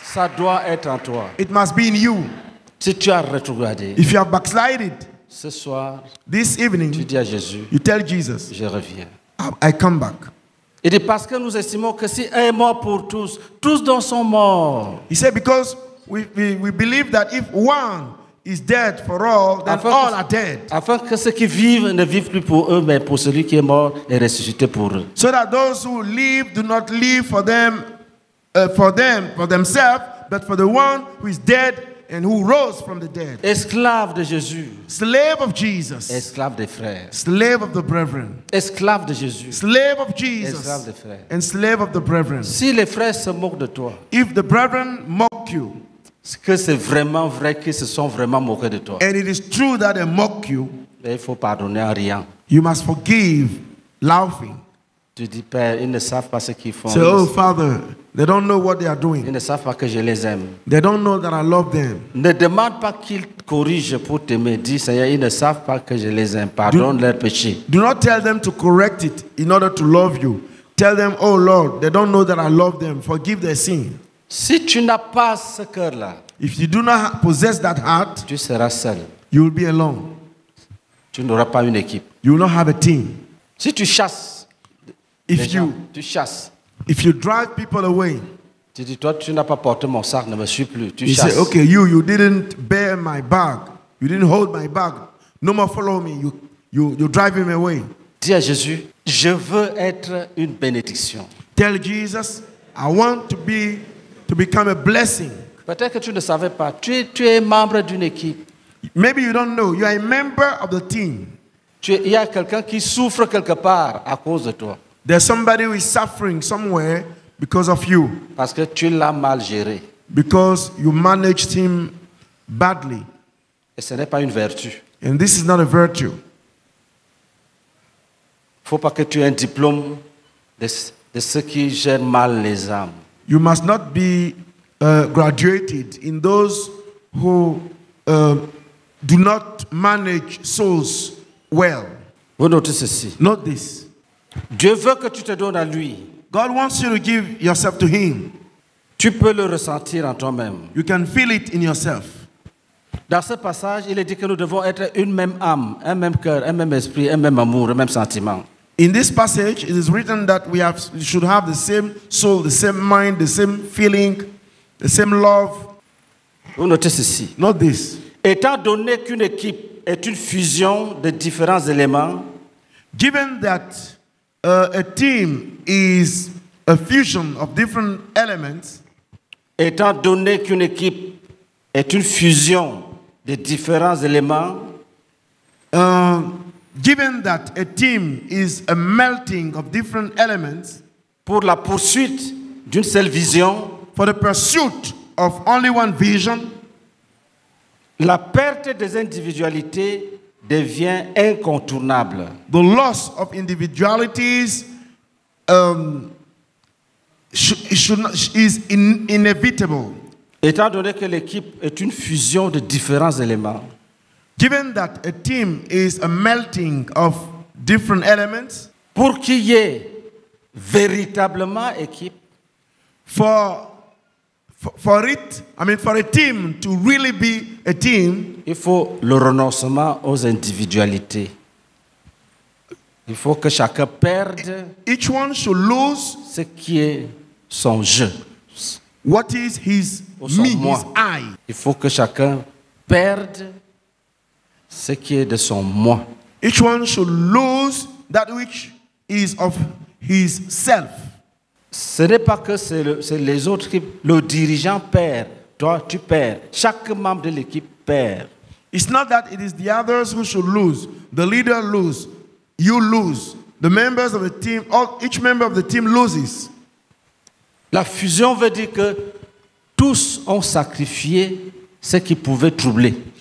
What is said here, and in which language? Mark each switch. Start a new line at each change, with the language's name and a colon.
French: Ça doit être en toi.
English: It must be in you.
French: Si tu as rétrogradé,
English: if you have backslided,
French: ce soir,
English: this evening,
French: tu dis à Jésus,
English: you tell Jesus,
French: je reviens.
English: I come back.
French: Il dit parce que nous estimons que si un est mort pour tous, tous dans son mort.
English: He said because we believe that if one is dead for all, then afin all
French: que,
English: are dead.
French: Afin que ceux qui vivent ne vivent plus pour eux, mais pour celui qui est mort et ressuscité pour eux.
English: So that those who live do not live for them, for themselves, but for the one who is dead and who rose from the dead.
French: Esclave de Jésus.
English: Slave of Jesus.
French: Esclave des frères.
English: Slave of the brethren.
French: Esclave de Jésus.
English: Slave of Jesus.
French: Esclave des frères.
English: And slave of the brethren.
French: Si les frères se moquent de toi.
English: If the brethren mock you.
French: Que c'est vraiment vrai qu'ils se sont vraiment moqués de toi.
English: And it is true that they mock you.
French: Mais il faut pardonner à rien.
English: You must forgive laughing.
French: Tu dis, Père, ils ne savent pas ce qu'ils font.
English: Say, oh, Father, they don't know what they are doing.
French: Ils ne savent pas que je les aime.
English: They don't know that I love them.
French: Ne demande pas qu'ils corrigent pour t'aimer. Dis, Seigneur, ils ne savent pas que je les aime. Pardonne leur péché.
English: Do not tell them to correct it in order to love you. Tell them, oh, Lord, they don't know that I love them. Forgive their sin.
French: Si tu n'as pas ce cœur-là,
English: if you do not possess that heart,
French: tu seras seul.
English: You will be alone.
French: Tu n'auras pas une équipe.
English: You will not have a team.
French: Si tu chasses,
English: if
French: gens,
English: you,
French: tu chasses,
English: if you drive people away,
French: tu dis, toi, tu n'as pas porté mon sac, ne me suis plus. Tu
English: you
French: chasses.
English: Say, okay, you didn't bear my bag. You didn't hold my bag. No more follow me. You drive him away.
French: Dis à Jésus, je veux être une bénédiction.
English: Tell Jesus, I want to be to become a blessing.
French: Peut-être que tu ne savais pas. Tu es membre d'une équipe.
English: Maybe you don't know. You are a member of the team.
French: Il y a quelqu'un qui souffre quelque part à cause de toi.
English: There's somebody who is suffering somewhere because of you.
French: Parce que tu l'as mal géré.
English: Because you managed him badly.
French: Et ce n'est pas une vertu.
English: And this is not a virtue.
French: Faut pas que tu aies un diplôme de ceux qui gèrent mal les âmes.
English: You must not be graduated in those who do not manage souls well.
French: Vous notez ceci.
English: Note this.
French: Dieu veut que tu te donnes à lui.
English: God wants you to give yourself to him.
French: Tu peux le ressentir en toi-même.
English: You can feel it in yourself.
French: Dans ce passage, il est dit que nous devons être une même âme, un même cœur, un même esprit, un même amour, un même sentiment.
English: In this passage, it is written that we should have the same soul, the same mind, the same feeling, the same love.
French: Vous notez ceci.
English: Note this.
French: Étant donné qu'une équipe est une fusion de différents éléments,
English: given that a team is a fusion of different elements,
French: étant donné qu'une équipe est une fusion de différents éléments,
English: given that a team is a melting of different elements,
French: pour la poursuite d'une seule vision,
English: for the pursuit of only one vision,
French: la perte des individualités devient incontournable.
English: The loss of individualities is inevitable.
French: Étant donné que l'équipe est une fusion de différents éléments.
English: Given that a team is a melting of different elements,
French: pour qu'il y ait véritablement équipe,
English: for a team to really be a team,
French: il faut le renoncement aux individualités. Il faut que chacun perde
English: each one should lose
French: ce qui est son je,
English: what is his me,
French: moi.
English: His I.
French: Il faut que chacun perde ce qui est de son moi.
English: Each one should lose that which is of his self.
French: Ce n'est pas que c'est les autres qui... Le dirigeant perd. Toi, tu perds. Chaque membre de l'équipe perd.
English: It's not that it is the others who should lose. The leader lose. You lose. The members of the team, each member of the team loses.
French: La fusion veut dire que tous ont sacrifié ce qui pouvait troubler.